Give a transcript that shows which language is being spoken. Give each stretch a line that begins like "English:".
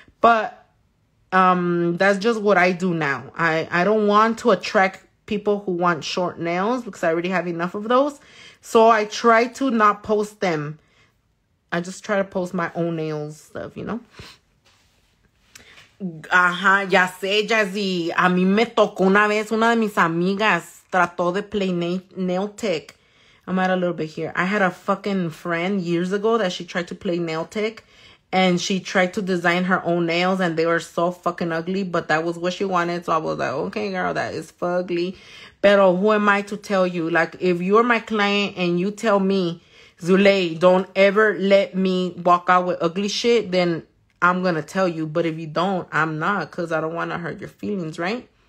English: But that's just what I do now. I don't want to attract people who want short nails because I already have enough of those. So I try to not post them. I just try to post my own nails stuff, you know.
Spanish: Ajá, ya sé, Jazzy. A mí me tocó una vez, una de mis amigas trató de
English: play nail tech. I'm out a little bit here. I had a fucking friend years ago that she tried to play nail tech. And she tried to design her own nails and they were so fucking ugly. But that was what she wanted. So I was like, okay, girl, that is fugly.
Spanish: Pero
English: who am I to tell you? Like, if you're my client and you tell me, Zuley, don't ever let me walk out with ugly shit, then I'm going to tell you, but if you don't, I'm not, because I don't want to hurt your feelings, right?